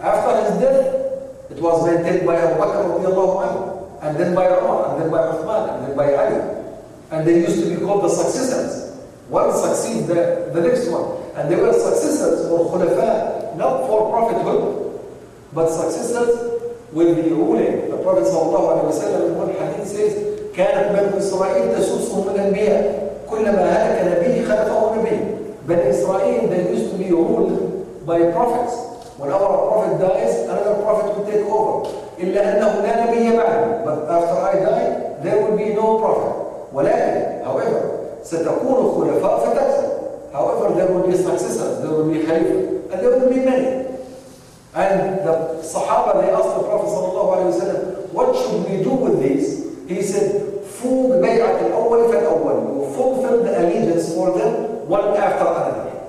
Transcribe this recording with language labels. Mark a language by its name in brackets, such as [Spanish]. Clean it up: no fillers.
[English] After his death, it was maintained by Abu Bakr radiallahu anhu, and then by Umar, and then by Uthman, and then by Ali. And they used to be called the successors. One succeeds the next one. And they were successors or khulafa, not for prophethood, but successors with the ruling. The Prophet sallallahu alaihi wasallam in one hadith says, [Arabic] كانت بنو إسرائيل تسوسهم الأنبياء كلما هلك نبي خلفه نبي. [English] But Israel, they used to be ruled by prophets. Whenever a prophet dies, another prophet will take over. [Arabic] إلا أنه لا نبي بعد. [English] But after I die, there will be no prophet. [Arabic] ولكن, [English] however, [Arabic] ستكون خلفاء فتكثر. [English] However, there will be successors, there will be خليفة, and there will be many. And the Sahaba, they asked the Prophet صلى الله عليه وسلم, what should we do with these? He said, [Arabic] فوق بيعة الأول فالأول. [English] You fulfill the allegiance for them one after another.